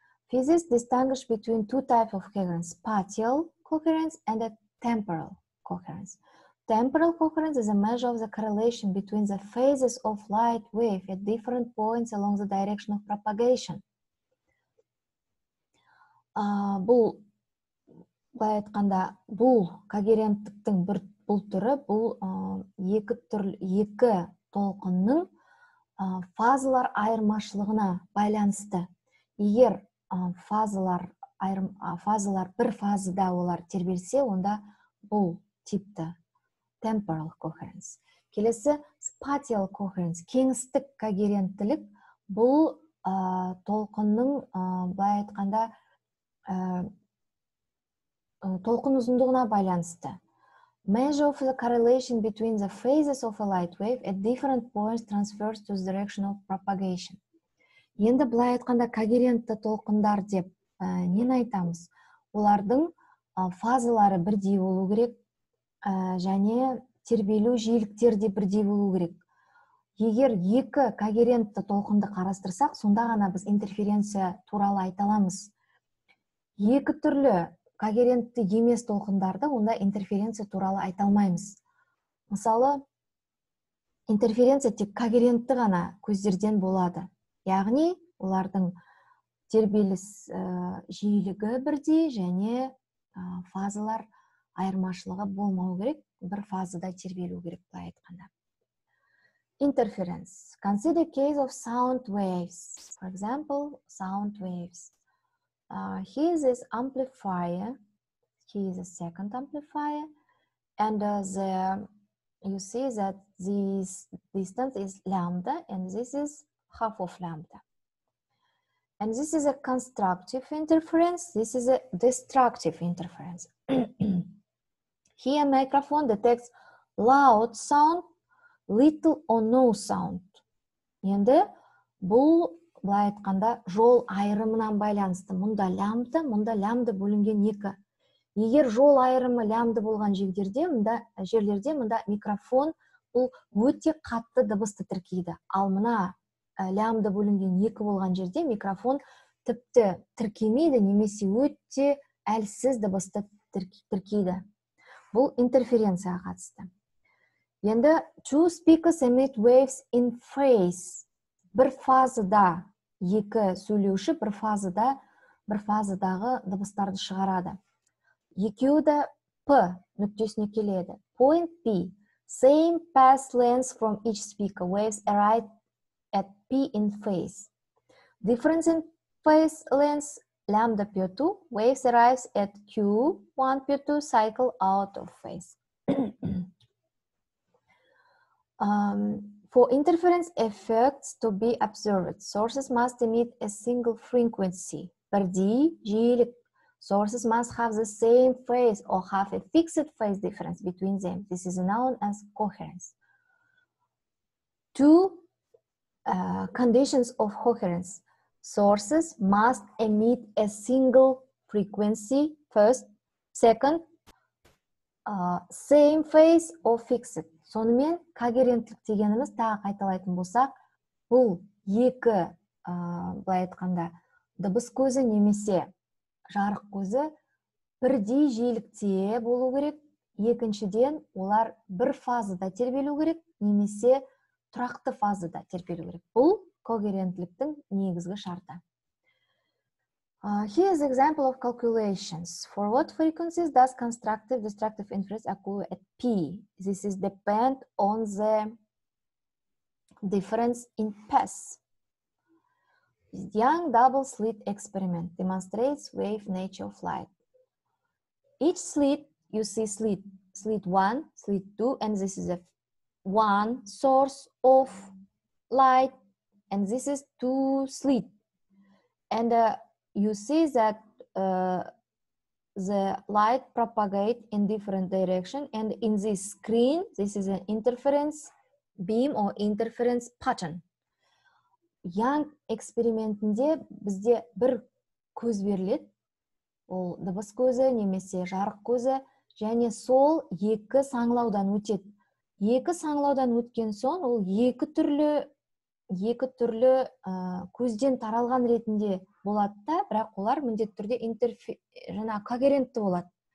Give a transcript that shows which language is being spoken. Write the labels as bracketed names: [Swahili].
[English] Physicists distinguish between two types of coherence, spatial coherence and a temporal coherence. Temporal coherence is a measure of the correlation between the phases of light wave at different points along the direction of propagation. [Kazakh] Бұл айтқанда, бұл когеренттіктің бір бұл түрі, бұл екі түрлі екі толқынның фазалар айырмашылығына байланысты. Егер фазалар бір фазада олар тербелсе, онда бұл типті [English] temporal coherence. [Kazakh] Келесі [English] spatial coherence, [Kazakh] кеңістік когеренттілік, бұл толқынның былай айтқанда толқын ұзындығына байланысты. [English] Measure of the correlation between the phases of a light wave at different points transverse to the direction of propagation. [Kazakh] Енді былай айтқанда когерентті толқындар деп нені айтамыз? Олардың фазалары бірдей болу керек, және тербелу жиіліктері де бірдей болу керек. Егер екі когерентті толқынды қарастырсақ, сонда ғана біз интерференция туралы айта аламыз. Екі түрлі когерентті емес толқындарды, онда интерференция туралы айта алмаймыз. Мысалы, интерференция тек когерентті ғана көздерден болады. Яғни, олардың тербеліс жиілігі бірдей және фазалар айырмашылығы болмау керек, бір фазада тербелу керек бұл айтқанда. [English] Interference. Consider case of sound waves. For example, sound waves. Here is this amplifier. Here is a second amplifier. And you see that this distance is lambda and this is half of lambda. And this is a constructive interference. This is a destructive interference. Here, microphone detects loud sound, little or no sound. [Kazakh] Енді бұл, былай айтқанда, жол айырымынан байланысты. Мұнда лямбда бөлінген екі. Егер жол айырымы лямбда болған жерлерде, мұнда микрофон бұл өте қатты дыбысты тіркейді. Ал мұна лямбда бөлінген екі болған жерде микрофон тіпті тіркемейді, немесе өте әлсіз дыбысты тіркейді. Бұл интерференцияға қатысты. Енді [English] two speakers emit waves in phase. [Kazakh] Бір фазада екі сөйлеуші бір фазадағы дыбыстарды шығарады. Екеуі де P нүктесіне келеді. [English] Point P. Same path length from each speaker. Waves arrive at P in phase. Difference in phase lengths, lambda pi 2, waves arrives at Q1 pi 2 cycle out of phase. For interference effects to be observed, sources must emit a single frequency. Per D, G, sources must have the same phase or have a fixed phase difference between them. This is known as coherence. Two conditions of coherence. Sources must emit a single frequency first, second, same phase or fixed. [Kazakh] Сонымен когеренттілік дегеніміз тағы қайталайтын болсақ, бұл екі, былай айтқанда, дыбыс көзі немесе жарық көзі бірдей жиілікте болу керек. Екіншіден, олар бір фазада тербелу керек, немесе тұрақты фазада тербелу керек. Бұл когеренттіліктің негізгі шарты. [English] Here is an example of calculations. For what frequencies does constructive destructive inference occur at P? This is depend on the difference in paths. Young double slit experiment demonstrates wave nature of light. Each slit, you see slit 1, slit 2, and this is a one source of light, and this is two slit. And you see that the light propagate in different direction, and in this screen, this is an interference beam or interference pattern. [Kazakh] Young experiment-инде бізде бір көз берілет, ол дыбыс көзі, немесе жарық көзі, және сол екі саңлаудан өтет. Екі саңлаудан өткен соң, ол екі түрлі көзден таралған ретінде болады да, бірақ олар міндетті түрде жаңа когерентті болады.